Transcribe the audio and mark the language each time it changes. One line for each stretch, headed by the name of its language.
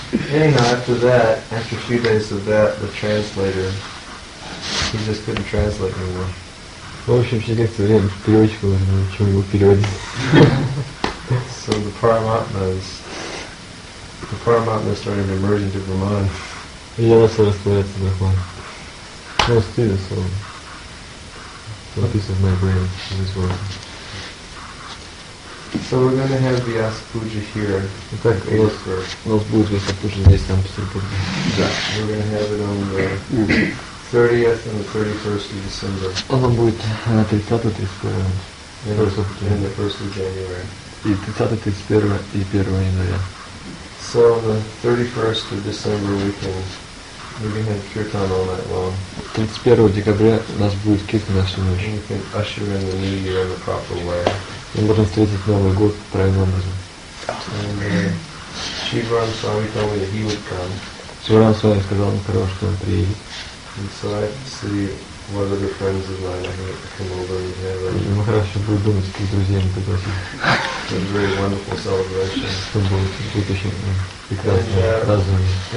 English: Anyhow, after that, after a few days of that, the translator, he just couldn't translate anymore.
Russian: В общем, через некоторое время переводчик уже ничего не мог переводить.
English: So the Paramatmas, started emerging to Brahman.
Russian: И я начал растворяться в Брахман. Ну, стыдно, словно.
English: So this is my brain, this is what. So we're going to have Vyasa Puja here.
Russian: Итак, у нас будет Vyasa Puja здесь, там, в Петербурге. Да.
English: We're going to have it on the 30th and the 31st of December.
Russian: Она будет на 30-й, 31-й.
English: And the 1st of January.
Russian: И 30-й, 31-й и 1-й января.
English: So the 31st of December we can have kirtan all night long.
Russian: 31 декабря у нас будет kirtan на всю ночь.
English: And we can usher in the new year in the proper way.
Russian: Мы можем встретить Новый год правильным образом.
English: Shivaram Swami told me that he would come.
Russian: Shivaram Swami сказал мне, хорошо, что он приедет.
English: And so I see what other friends of mine are going to come over and have a...
Russian: Мы хорошо будем думать, с какими друзьями пригласить.
English: It's a very wonderful celebration.
Russian: Это будет очень прекрасное празднование.